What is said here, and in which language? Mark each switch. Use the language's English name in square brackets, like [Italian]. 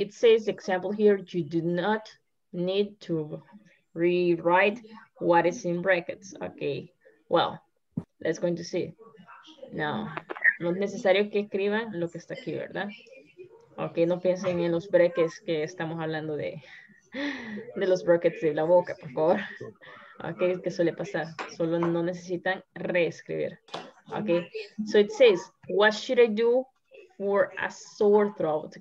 [English] It says example here, you do not need to rewrite. What is in brackets? Okay. Well, let's going to see. [Spanish] No, no es necesario que escriban lo que está aquí, ¿verdad? Okay, no piensen en los brackets que estamos hablando de los brackets de la boca, por favor. Okay, que suele pasar. Solo no necesitan reescribir. [English] Okay, so it says, what should I do for a sore throat?